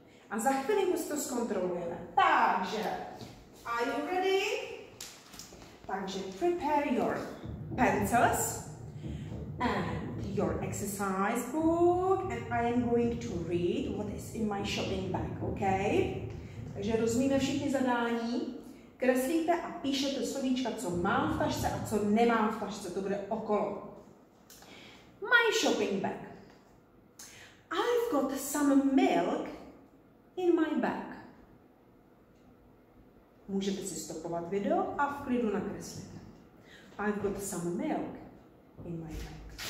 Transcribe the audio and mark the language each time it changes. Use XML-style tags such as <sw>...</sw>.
<cs>A za chvíli si to zkontrolujeme. Takže,</cs> <en>are you ready?</en> <cs>Takže</cs> <en>prepare your pencils and your exercise book and I am going to read what is in my shopping bag, OK?</en> <cs>Takže rozumíme všechny zadání. Kreslíte a píšete slovíčka, co mám v tašce a co nemám v tašce. To bude okolo.</cs> <en>My shopping bag. I've got some milk in my bag.</en> <cs>Můžete si stopovat video a v klidu nakreslit.</cs> <en>I've got some milk in my bag.</en>